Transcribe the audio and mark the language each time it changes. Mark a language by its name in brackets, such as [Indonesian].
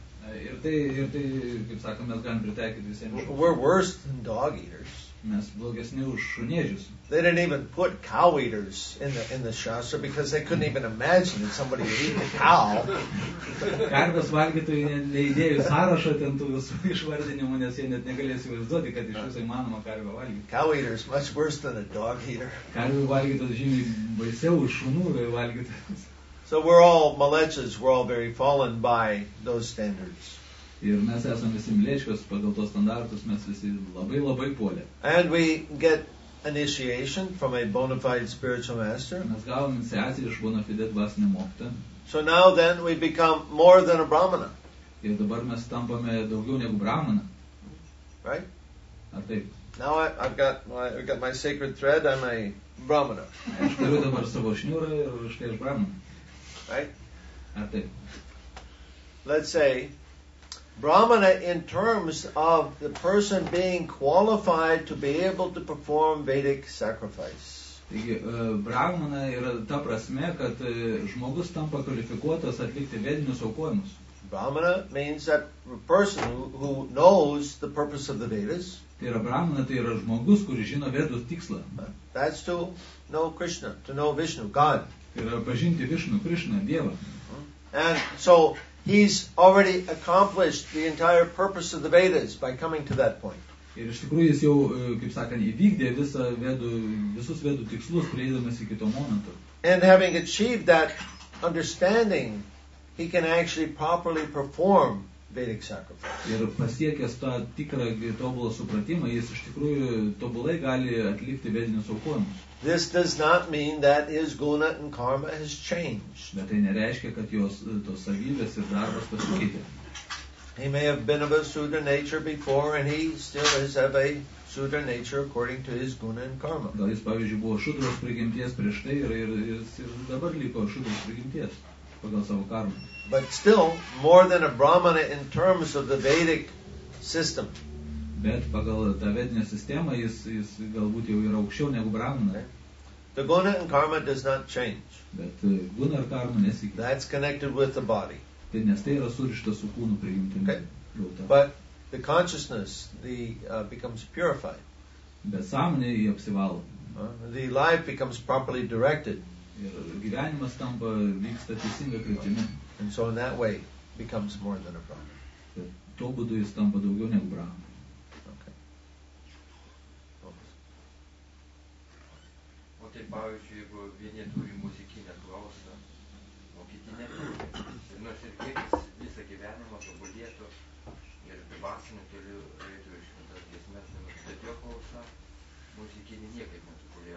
[Lithuanian] Ir tai, kaip sakome, mes galim pritaikyti visiems. [English] We're worse than dog eaters. [Lithuanian] Mes blogesni už šunėdžius. [English] They didn't even put cow eaters in the shastra because they couldn't even imagine that somebody would eat a cow. [Lithuanian] Karvės valgytojų neįdėjo sąrašo ten tų visų išvardinimų, nes jie net negalės įvaizduoti, kad iš viso įmanoma karvę valgyti. [English] Cow eaters much worse than a dog eater. [Lithuanian] Karvių valgytojas žymiai baisiau už šunų valgytojas. [English] So we're all malechas, we're all very fallen by those standards. [Lithuanian] Ir mes esam visi mlečkos, pagal tos standartus mes visi labai labai polė. [English] And we get initiation from a bona fide spiritual master. [Lithuanian] Mes gavom iniciaciją iš bona fide dvasinio mokytojo. [English] So now then we become more than a brahmana. [Lithuanian] Ir dabar mes tampame daugiau negu brahmana. [English] Right? [Lithuanian] Ar taip? [English] Now I've got my sacred thread, I'm a brahmana. [Lithuanian] Aš turiu dabar savo šniūrą ir štai aš brahmana. [English] Right? Let's say brahmana in terms of the person being qualified to be able to perform Vedic sacrifice. [Lithuanian] Taigi, brahmana yra ta prasme, kad žmogus tampa kvalifikuotas atlikti vedinius aukojimus. [English] Brahmana means that person who knows the purpose of the Vedas. [Lithuanian] Tai yra brahmana, tai yra žmogus, kuris žino vedų tikslą. [English] That's to know Krishna, to know Vishnu, God. [Lithuanian] Yra pažinti Vishnu, Krishna, Dievą. [English] And so He's already accomplished the entire purpose of the Vedas by coming to that point. [Lithuanian] Ir iš tikrųjų jis jau, kaip sakant, įvykdė visus Vedų tikslus, prieidamas iki to momento. [English] And having achieved that understanding, he can actually properly perform Vedic sacrifice. [Lithuanian] Ir pasiekęs tą tikrą tobulą supratimą, jis iš tikrųjų tobulai gali atlikti vedinius aukojimus. [English] This does not mean that his guna and karma has changed. [Lithuanian] Bet tai nereiškia, kad jos tos savybės ir darbas pasikeitė. [English] He may have been of a sudra nature before, and he still is of a sudra nature according to his guna and karma. [Lithuanian] Gal jis, pavyzdžiui, buvo šudros prigimties prieš tai ir dabar liko šudros prigimties pagal savo karmą. [English] But still, more than a brahmana in terms of the Vedic system. [Lithuanian] Bet pagal tą vedinę sistemą jis galbūt jau yra aukščiau negu brahmana. [English] The guna and karma does not change. [Lithuanian] Bet guna ir karma nesikeitė. [English] That's connected with the body. [Lithuanian] Nes tai yra surišta su kūnu priimtimi. [English] Okay. But the consciousness becomes purified. [Lithuanian] Bet sąmonė jį apsivalo. [English] The life becomes properly directed. [Lithuanian] Ir gyvenimas tampa vyksta teisinga kryptimi. [English] And so in that way becomes more than a brahmana. [Lithuanian] Bet tuo būdu jis tampa daugiau negu brahmana. Tai pavyzdžiui, jeigu vieni turi muzikinę klausą, o kiti neturi. Nors ir kiek jis visą gyvenimą tobulėtų ir dvasinių kelių reitų iš šventas giesmės, bet jo klausa muzikinį niekaip neturi.